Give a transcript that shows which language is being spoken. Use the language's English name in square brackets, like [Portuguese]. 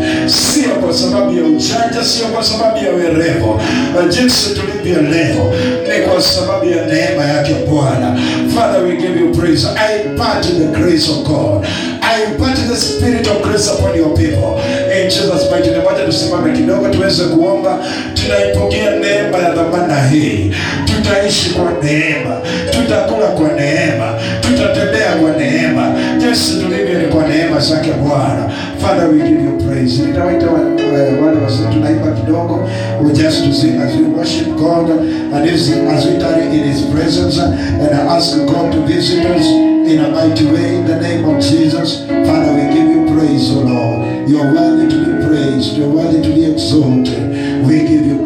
[Swahili] Sio kwa sababu ya ujanja, sio kwa sababu ya werevu. Jinsi tulivyo leo, ni kwa sababu ya neema yake Bwana. [English] Father, we give you praise. I impart the grace of God. I impart the spirit of grace upon your people. In Jesus' mighty name, [Swahili] wacha tusimame kidogo tuweze kuomba. Tunaipokea neema ya dhamana hii. Tutaishi kwa neema. Tutakula kwa neema. Tutatembea kwa neema. Jinsi tulivyo ni kwa neema zake Bwana. [English] Father, we give you praise. [Swahili] Nitawaita wale wasio tunaipa kidogo. [English] We just sing as we worship God and as we tarry in his presence and ask God to visit us in a mighty way in the name of Jesus. Father, we give you praise, O Lord. You are worthy to be praised. You are worthy to be exalted. We give